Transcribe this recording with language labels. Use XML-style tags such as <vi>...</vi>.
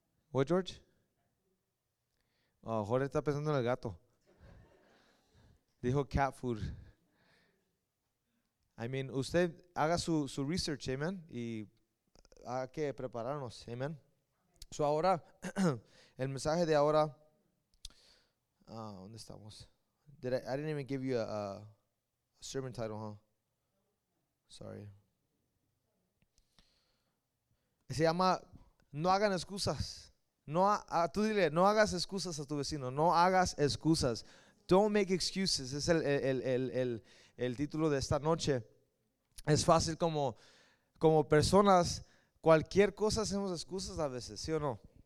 <en>What, George?</en> <es>Oh, Jorge está pensando en el gato. Dijo</es> <en>cat food. I mean,</en> <es>usted haga su research, amen, y hay que prepararnos, amen. So ahora, el mensaje de ahora, ¿dónde estamos?</es> <en>I didn't even give you a sermon title, huh? Sorry.</en> <es>Se llama, no hagan excusas. Tú dile, no hagas excusas a tu vecino. No hagas excusas.</es> <en>Don't make excuses.</en> <es>Es el título de esta noche. Es fácil como personas, cualquier cosa hacemos excusas a veces, ¿sí o no?</es>